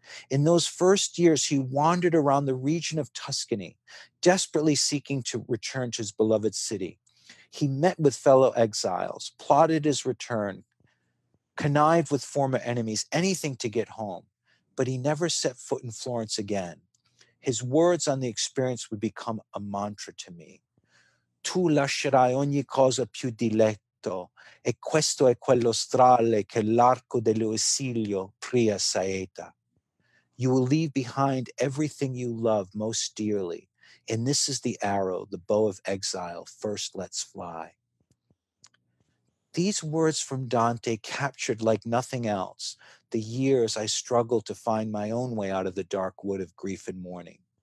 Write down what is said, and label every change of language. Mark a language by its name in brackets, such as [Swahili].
[English] In those first years, he wandered around the region of Tuscany, desperately seeking to return to his beloved city. He met with fellow exiles, plotted his return, connive with former enemies, anything to get home. But he never set foot in Florence again. His words on the experience would become a mantra to me. [Italian] Tu lascerai ogni cosa più diletto, e questo è quello strale che l'arco dell'esilio pria saeta. [English] You will leave behind everything you love most dearly, and this is the arrow the bow of exile first lets fly. These words from Dante captured, like nothing else, the years I struggled to find my own way out of the dark wood of grief and mourning.